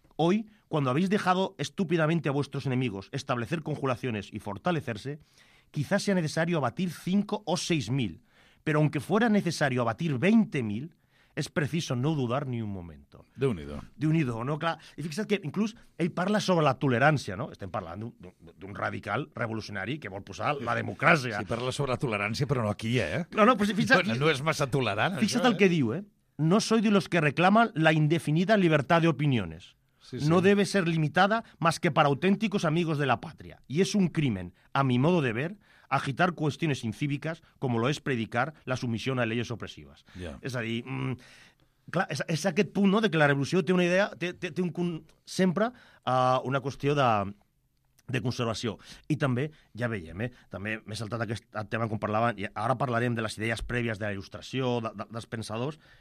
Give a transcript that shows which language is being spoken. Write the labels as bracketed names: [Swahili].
[Spanish] Hoy, cuando habéis dejado estúpidamente a vuestros enemigos establecer conjuraciones y fortalecerse, quizás sea necesario abatir 5 o 6.000, pero aunque fuera necesario abatir 20.000, es preciso no dudar ni un momento. De unido, ¿no? [Catalan] Clar, i fixa't que inclús ell parla sobre la tolerància, no? Estem parlant d'un radical revolucionari que vol posar la democràcia. Sí, parla sobre la tolerància, però no aquí, eh? No, però fixa't... No és massa tolerant, fixa't això, el que diu, eh? [Spanish] No soy de los que reclaman la indefinida libertad de opiniones. Sí, sí. No debe ser limitada más que para auténticos amigos de la patria. Y es un crimen, a mi modo de ver, agitar cuestiones incívicas como lo es predicar la sumisión a leyes opresivas. [English] Yeah. [Catalan] És a dir, clar, és aquest punt, no?, de que la revolució té una idea, té sempre una qüestió de conservació. I també, ja veiem, també m'he saltat aquest tema com parlàvem, i ara parlarem de les idees prèvies de la Il·lustració, dels pensadors.